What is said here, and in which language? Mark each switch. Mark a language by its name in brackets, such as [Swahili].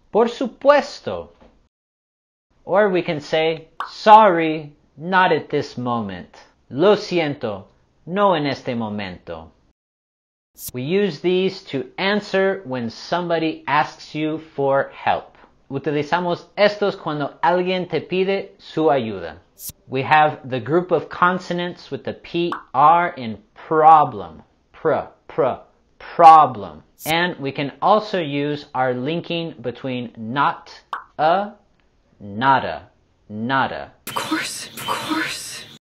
[Spanish] Por supuesto. [English] Or we can say, sorry, not at this moment. [Spanish] Lo siento, no en este momento. [English] We use these to answer when somebody asks you for help. [Spanish] Utilizamos estos cuando alguien te pide su ayuda. [English] We have the group of consonants with the PR in problem. Pr, pr, problem. And we can also use our linking between not, a, nada, nada. Of course, of course.